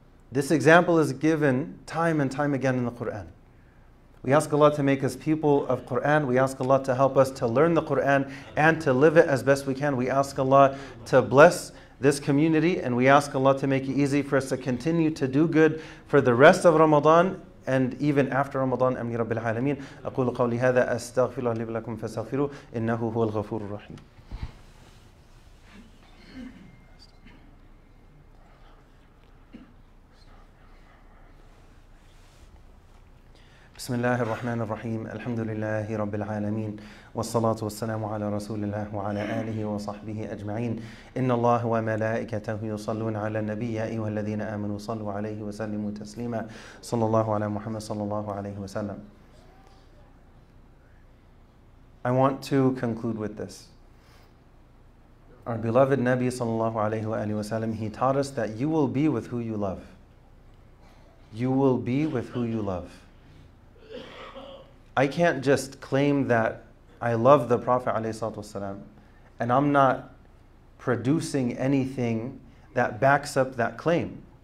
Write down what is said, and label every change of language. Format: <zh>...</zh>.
<en>This example is given time and time again in the Quran. We ask Allah to make us people of Quran. We ask Allah to help us to learn the Quran and to live it as best we can. We ask Allah to bless this community, and we ask Allah to make it easy for us to continue to do good for the rest of Ramadan. And even after Ramadan,</en> <ar>أمني رب العالمين أقول قولي هذا أستغفر الله لي ولكم فاستغفروا إنه هو الغفور الرحيم. بسم الله الرحمن الرحيم الحمد لله رب العالمين والصلاة والسلام على رسول الله وعلى آله وصحبه أجمعين إن الله وملائكته يصلون على النبي يا أيها الذين آمنوا صلوا عليه وسلموا تسليما صلى الله على محمد صلى الله عليه وسلم.</ar> <en>I want to conclude with this. Our beloved Nabi</en> <ar>صلى الله عليه وآله وسلم,</ar> <en>he taught us that you will be with who you love. You will be with who you love. I can't just claim that I love the Prophet ﷺ and I'm not producing anything that backs up that claim.</en>